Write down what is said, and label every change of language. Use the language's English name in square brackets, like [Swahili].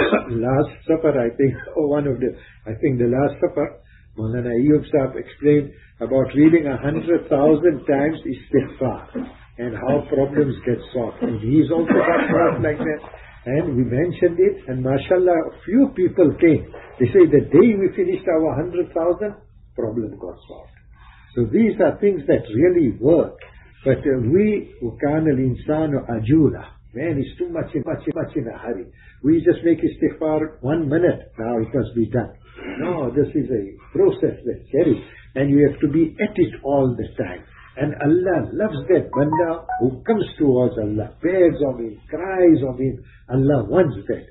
[English] Last supper, I think the last supper, Maulana Ayyub Sahib explained about reading 100,000 times istighfar and how problems get solved. And he's also got class like that. And we mentioned it, and mashallah, few people came. They say the day we finished our 100,000, problem got solved. So these are things that really work. But we, [Arabic] وَكَانَ الْإِنسَانُ عَجُولًا. [English] Man is too much in a hurry. We just make istighfar 1 minute, now it must be done. No, this is a process that's very, and you have to be at it all the time. And Allah loves that banda who comes towards Allah, begs of Him, cries of Him. Allah wants that.